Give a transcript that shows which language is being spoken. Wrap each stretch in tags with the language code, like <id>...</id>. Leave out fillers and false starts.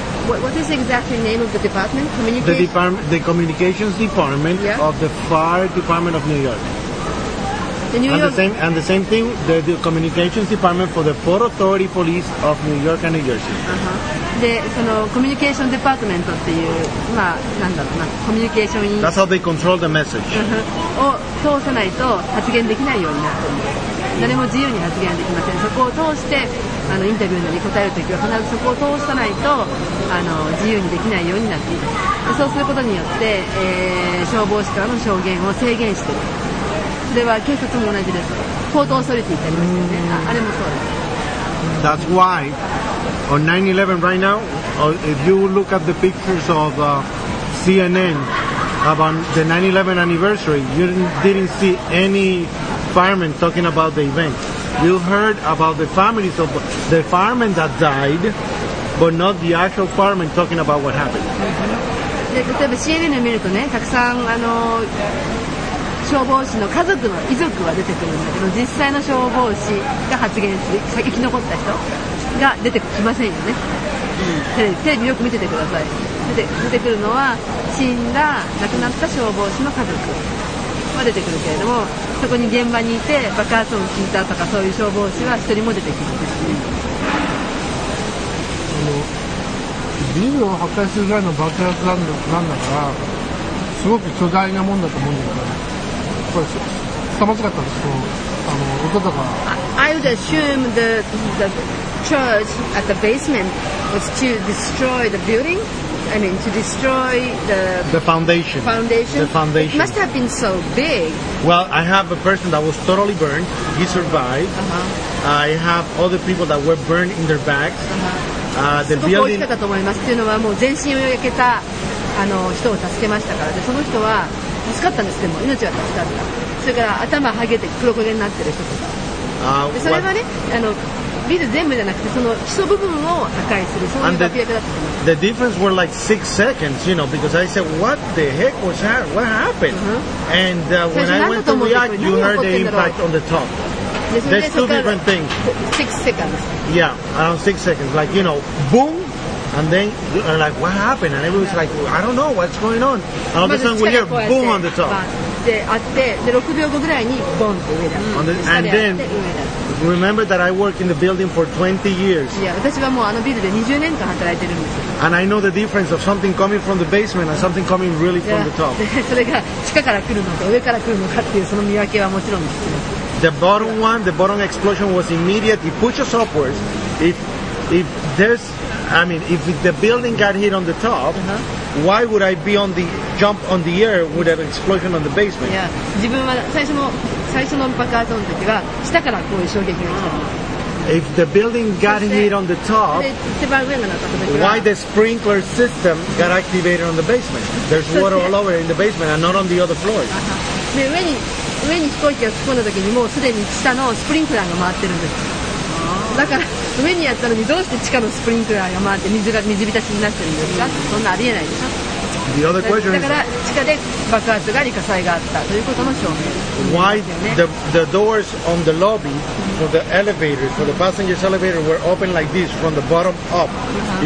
<en>What is exactly the name of the department? The communications department、yeah. of the fire department of New York, the New York. And the same thing the communications department for the Port Authority Police of New York and New Jersey、uh-huh.</en> <ja>でそのコミュニケーションデパートメントっていう、まあ、なんだろうなコミュニケーションに</ja> <en>That's how they control the message.</en> <ja>を通さないと発言できないようになっています誰も自由に発言できませんそこを通してインタビューに答えるときは必ずそこを通さないと自由にできないようになっていますそうすることによって、消防士からの証言を制限しているそれは警察も同じですポートオーソリティってありますよね、mm. あれもそうです</ja> <en>That's whyOn 9/11 right now, if you look at the pictures of CNN about the 9/11 anniversary, you didn't see any firemen talking about the event. You heard about the families of the firemen that died, but not the actual firemen talking about what happened.</en> <ja>で、例えば CNN を見るとね、たくさん消防士の家族の遺族は出てくるんだけど、実際の消防士が発言する、生き残った人。が出てきませんよね、うん、テレビよく見ててください出てくるのは死んだ亡くなった消防士の家族は出てくるけれどもそこに現場にいて爆発音を聞いたとかそういう消防士は一人も出てきませんビルを破壊するぐらいの爆発なんだからすごく巨大なもんだと思うんだからこれ凄まじかったですその音とか</ja> <en>I would assume the church at the basement was to destroy the building I mean to destroy the foundation the foundation it must have been so big well I have a person that was totally burned he survived uh-huh. I have other people that were burned in their backs uh-huh. The building</en> <ja>すごく大きかったと思いますっていうのはもう全身を焼けた人を助けましたからでその人は助かったんですけども命は助かったそれから頭剥げて黒焦げになってる人とかでそれはねビル全部じゃなくてその基礎部分を破壊するそういう爆薬だったと思います</ja> <en>The difference were like 6 seconds, you know, because I said, what the heck was that? What happened? Uh-huh. And when I went to react, you heard the impact on the top. There's two different things. 6 seconds. Yeah, around 6 seconds. Like, you know, boom, and then you're like, what happened? And everyone's like, I don't know, what's going on? And all of a sudden we hear boom on the top.</en> <ja>で、6秒後ぐらいにボンって上だ。 Mm-hmm.</ja> <en>And then,Remember that I worked in the building for 20 years.</en> <ja>Yeah, 私はもうあのビルで20年間働いてるんです。</ja> <en>And I know the difference of something coming from the basement and something coming really from the top.</en> <ja>それが地下から来るのか上から来るのかっていうその見分けはもちろんです。</ja> <en>The bottom one, the bottom explosion was immediate. It pushed us upwards. If the building got hit on the top,、uh-huh. why would I be on the jump on the air with an explosion on the basement?</en> <ja>Yeah, 自分は最初の爆発音の時は下からこういう衝撃が来たんです。</ja> <en>If the building got hit on the top, why the sprinkler system got activated on the basement? There's water all over in the basement and not on the other floors.</en> <ja>で、上に飛行機が突っ込んだ時にもうすでに下のスプリンクラーが回ってるんです。だから上にやったのにどうして地下のスプリンクラーが回って水浸しになってるんですか？そんなありえないでしょ？</ja> <en>The other question is, why the doors on the lobby for the elevator, for the passenger's elevator, were open like this from the bottom up? Uh-huh.</en>